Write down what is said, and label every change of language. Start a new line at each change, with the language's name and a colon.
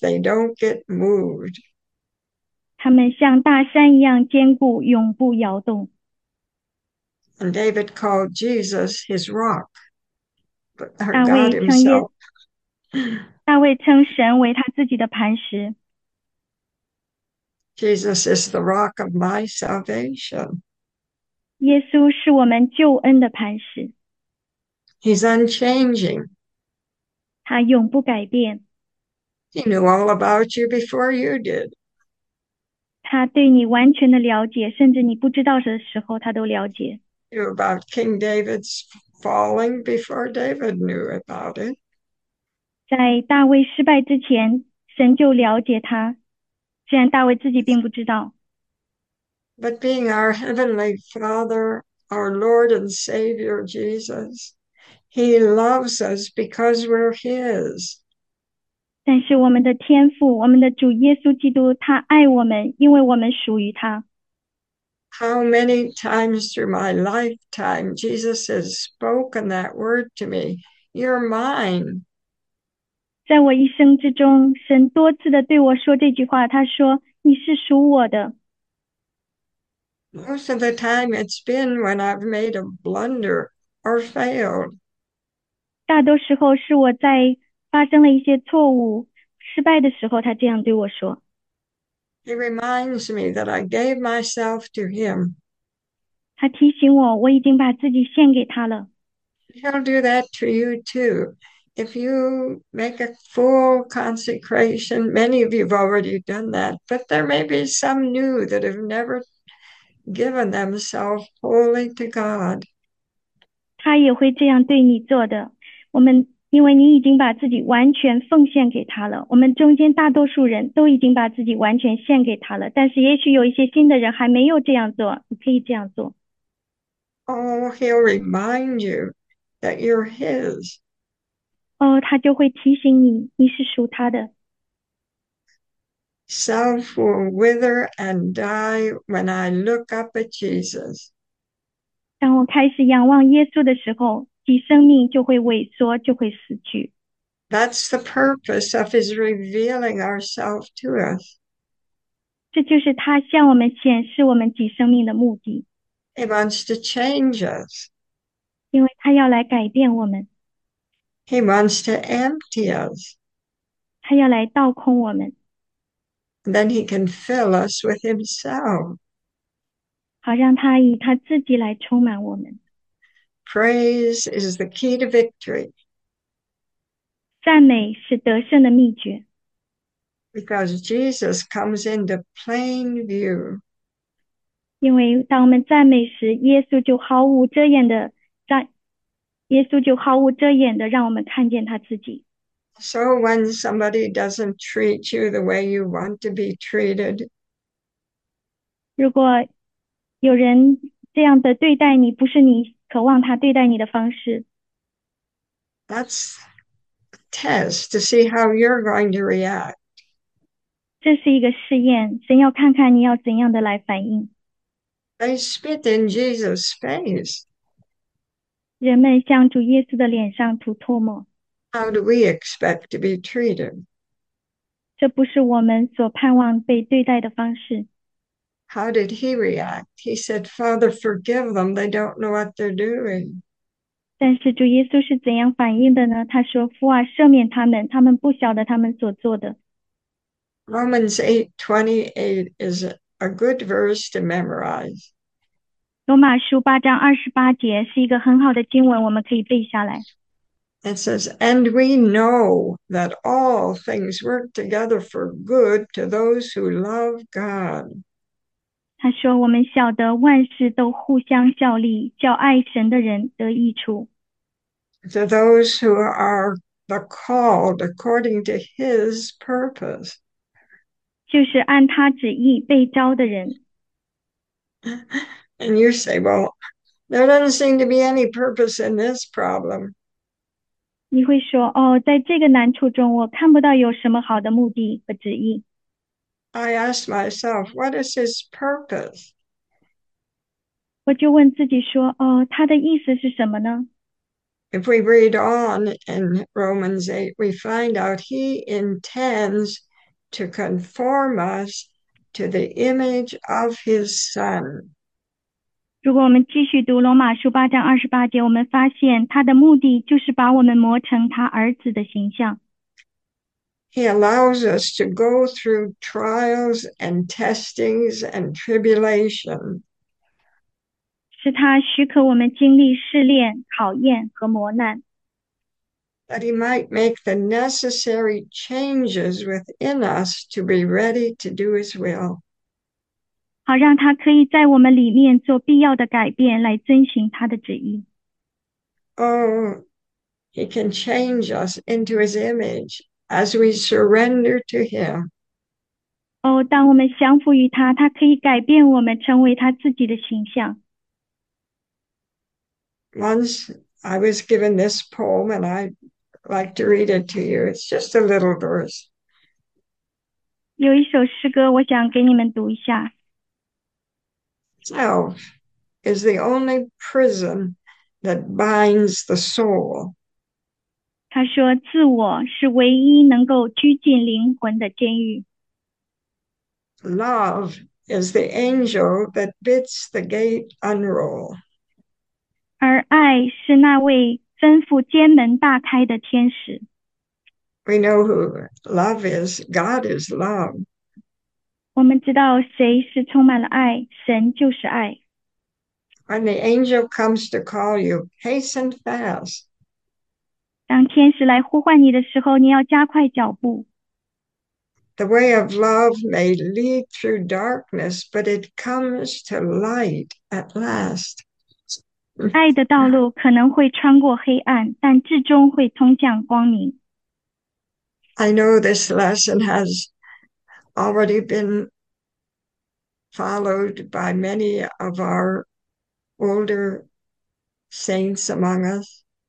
English: They don't get moved.
Chinese: 它们像大山一样坚固，永不摇动。
English: And David called Jesus his rock, but our
Chinese: 大
English: God
Chinese: 卫称耶，
English: himself.
Chinese: 大卫称神为他自己的磐石。
English: Jesus is the rock of my salvation.
Chinese: 耶稣是我们救恩的磐石，
English: He's unchanging.
Chinese: 他永不改变，
English: He knew all about you before you did.
Chinese: 他对你完全的了解，甚至你不知道的时候，他都了解。
English: He knew about King David's falling before David knew about it.
Chinese: 在大卫失败之前，神就了解他，虽然大卫自己并不知道。
English: But being our Heavenly Father, our Lord and Savior Jesus, He loves us because we're His.
Chinese: 但是我们的天父，我们的主耶稣基督，他爱我们，因为我们属于他。
English: How many times through my lifetime Jesus has spoken that word to me, You're mine.
Chinese: 在我一生之中，神多次的对我说这句话，他说：“你是属我的。”
English: Most of the time it's been when I've made a blunder or failed.
Chinese: 大多时候是我在发生了一些错误、失败的时候，他这样对我说。
English: He reminds me that I gave myself to him.
Chinese: 他提醒我，我已经把自己献给他了。
English: He'll do that to you too. If you make a full consecration, many of you have already done that, but there may be some new that have never given themselves wholly to God.
Chinese: 他也会这样对你做的，我们。因为你已经把自己完全奉献给他了，我们中间大多数人都已经把自己完全献给他了，但是也许有一些新的人还没有这样做，你可以这样做。
English: Oh, he'll remind you that you're his.
Chinese: 哦，他就会提醒你，你是属他的。
English: Self will wither and die when I look up at Jesus.
Chinese: 当我开始仰望耶稣的时候。其生命就会萎缩，就会死去。
English: That's the purpose of his revealing ourselves to us.
Chinese: 这就是他向我们显示我们己生命的目的，
English: He wants to change us.
Chinese: 因为他要来改变我们，
English: He wants to empty us.
Chinese: 他要来倒空我们，
English: And then he can fill us with himself.
Chinese: 好让他以他自己来充满我们。
English: Praise is the key to victory.
Chinese: 赞美是得胜的秘诀。
English: Because Jesus comes into plain view.
Chinese: 因为当我们赞美时，耶稣就毫无遮掩的让我们看见他自己。
English: So when somebody doesn't treat you the way you want to be treated,
Chinese: 如果有人这样的对待你，不是你渴望他对待你的方式。
English: that's a test to see how you're going to react.
Chinese: 这是一个试验，神要看看你要怎样的来反应。
English: They spit in Jesus' face.
Chinese: 人们向主耶稣的脸上吐唾沫，
English: How do we expect to be treated?
Chinese: 这不是我们所盼望被对待的方式。
English: How did he react? He said, Father, forgive them. They don't know what they're doing.
Chinese: 但是主耶稣是怎样反应的呢？他说：“父啊，赦免他们，他们不晓得他们所做的。
English: Romans 8:28 is a good verse to memorize.
Chinese: ”罗马书8章28节是一个很好的经文，我们可以背下来。
English: It says, And we know that all things work together for good to those who love God.
Chinese: 他说：“我们晓得万事都互相效力，叫爱神的人得益处。
English: To those who are the called according to his purpose.
Chinese: 就是按他旨意被招的人。
English: And you say, well, there doesn't seem to be any purpose in this problem.
Chinese: ”你会说：“哦，在这个难处中，我看不到有什么好的目的和旨意。”
English: I ask myself, what is his purpose?
Chinese: 我就问自己说：“哦，他的意思是什么呢
English: If we read on in Romans 8, we find out he intends to conform us to the image of his son. ？”
Chinese: 如果我们继续读罗马书8章28节，我们发现他的目的就是把我们磨成他儿子的形象。
English: He allows us to go through trials and testings and tribulation.
Chinese: 是他许可我们经历试炼、考验和磨难，
English: That he might make the necessary changes within us to be ready to do his will.
Chinese: 好让他可以在我们里面做必要的改变，来遵循他的旨意。
English: Oh, he can change us into his image as we surrender to him.
Chinese: 哦，当我们降服于他，他可以改变我们，成为他自己的形象。
English: Once I was given this poem and I like to read it to you. It's just a little verse.
Chinese: 有一首诗歌，我想给你们读一下。
English: Self is the only prison that binds the soul.
Chinese: 他说：“自我是唯一能够拘禁灵魂的监狱。
English: Love is the angel that bids the gate unroll.
Chinese: ”而爱是那位吩咐监门大开的天使。
English: We know who love is. God is love.
Chinese: 我们知道谁是充满了爱，神就是爱。
English: When the angel comes to call you, hasten fast.
Chinese: 当天使来呼唤你的时候，你要加快脚步。
English: The way of love may lead through darkness, but it comes to light at last.
Chinese: 爱的道路可能会穿过黑暗，但最终会通向光明。
English: I know this lesson has already been followed by many of our older saints among us.